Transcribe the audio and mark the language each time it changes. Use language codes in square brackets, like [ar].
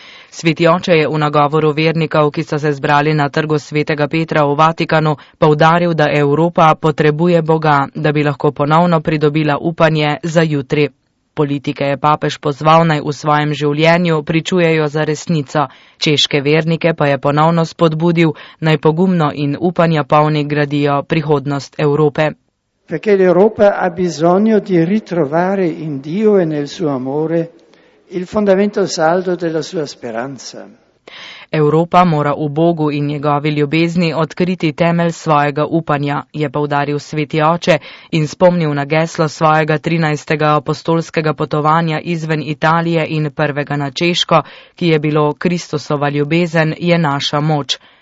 [sl] Sveti oče je v nagovoru vernikov, ki so se zbrali na trgu Svetega Petra v Vatikanu, poudaril, da Evropa potrebuje Boga, da bi lahko ponovno pridobila upanje za jutri. Politike je papež pozval naj v svojem življenju pričujejo za resnico, češke vernike pa je ponovno spodbudil naj pogumno in upanja polni gradijo prihodnost Evrope. [it] Perché l'Europa ha bisogno di ritrovare in Dio e nel suo amore il fondamento saldo della sua speranza. [sl] Evropa mora v Bogu in njegovi ljubezni odkriti temelj svojega upanja, je poudaril sveti oče in spomnil na geslo svojega 13. apostolskega potovanja izven Italije in prvega na Češko, ki je bilo Kristusova ljubezen je naša moč.